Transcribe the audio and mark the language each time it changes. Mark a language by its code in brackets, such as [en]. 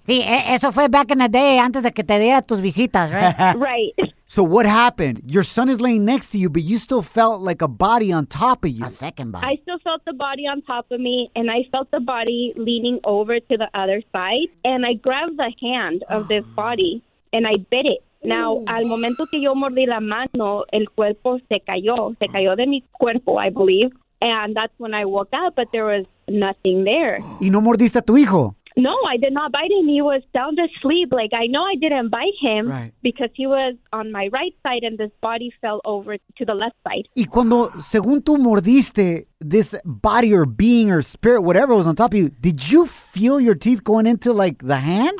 [es] Sí, eso fue [en] back in the day, [es] antes de que te diera tus visitas, right? [en] Right. So what happened? Your son is laying next to you, but you still felt like a body on top of you. A second body. I still felt the body on top of me, and I felt the body leaning over to the other side. And I grabbed the hand of this body, and I bit it. [es] Now, al momento que yo mordí la mano, el cuerpo se cayó. Se cayó de mi cuerpo, [en] I believe. And that's when I woke up, but there was nothing there. [es] ¿Y no mordiste a tu hijo? [en] No, I did not bite him. He was sound asleep. Like, I know I didn't bite him right. Because he was on my right side and this body fell over to the left side. [es] Y cuando, según tú mordiste, [en] this body or being or spirit, whatever was on top of you, did you feel your teeth going into, like, the hand?